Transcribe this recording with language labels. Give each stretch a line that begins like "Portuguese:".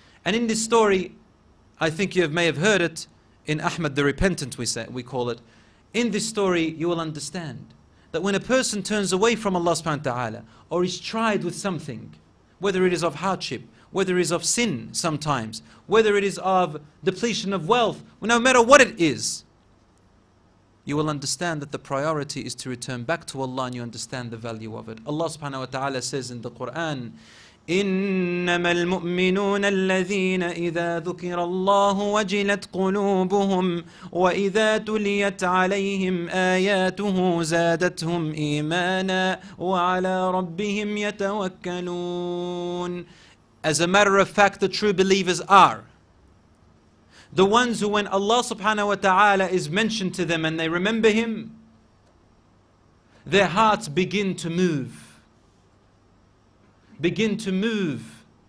English: And in this story, I think you may have heard it, in Ahmad the Repentant, we call it, in this story, you will understand that when a person turns away from Allah subhanahu wa ta'ala or is tried with something, whether it is of hardship, whether it is of sin sometimes, whether it is of depletion of wealth, no matter what it is, you will understand that the priority is to return back to Allah and you understand the value of it. Allah subhanahu wa ta'ala says in the Quran,
Arabic: إنما المؤمنون الذين إذا ذكر الله وجلت قلوبهم وإذا تليت عليهم آياته زادتهم إيمانا وعلى ربهم يتوكلون.
English: As a matter of fact, the true believers are the ones who, when Allah subhanahu wa ta'ala is mentioned to them and they remember Him, their hearts begin to move. Begin to move.